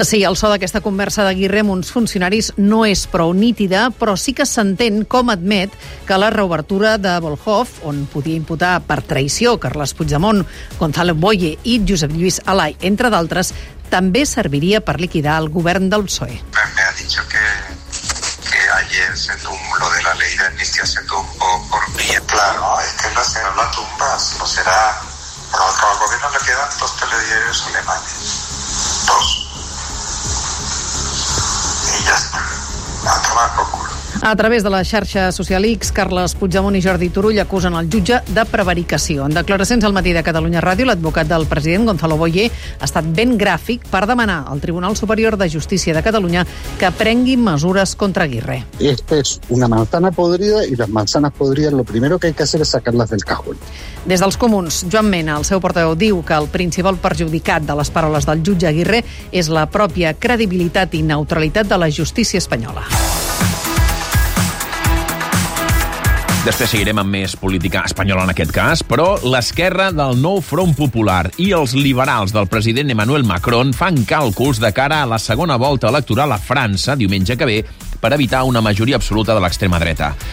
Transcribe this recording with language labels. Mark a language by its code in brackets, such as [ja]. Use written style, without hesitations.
[ca] Sí, el so d'aquesta conversa de Aguirre amb uns funcionaris no és prou nítida, però sí que s'entén com admet que la reobertura de Volkhov, on podia imputar per traïció Carles Puigdemont, Gonzalo Boye i Josep Lluís Alay, entre d'altres, també serviria per liquidar el govern del PSOE. [es] Me ha dicho que ayer se tumbó, lo de la ley de amnistía se tumbó por mí. Claro, es que no será la tumba, sino será... Pronto, al gobierno le quedan dos telediarios alemanes. Dos. Y ya está. A tomar por culo. [ca] A través de la xarxa social X, Carles Puigdemont i Jordi Turull acusen el jutge de prevaricació. En declaracions al matí de Catalunya Ràdio, l'advocat del president, Gonzalo Boye, ha estat ben gràfic per demanar al Tribunal Superior de Justícia de Catalunya que prengui mesures contra Aguirre. [es] Esta es una manzana podrida y las manzanas podridas lo primero que hay que hacer es sacarlas del cajón. [ca] Des dels comuns, Joan Mena, el seu portaveu, diu que el principal perjudicat de les paraules del jutge Aguirre és la pròpia credibilitat i neutralitat de la justícia espanyola. Després seguirem amb més política espanyola en aquest cas, però l'esquerra del nou Front Popular i els liberals del president Emmanuel Macron fan càlculs de cara a la segona volta electoral a França, diumenge que ve, per evitar una majoria absoluta de l'extrema dreta.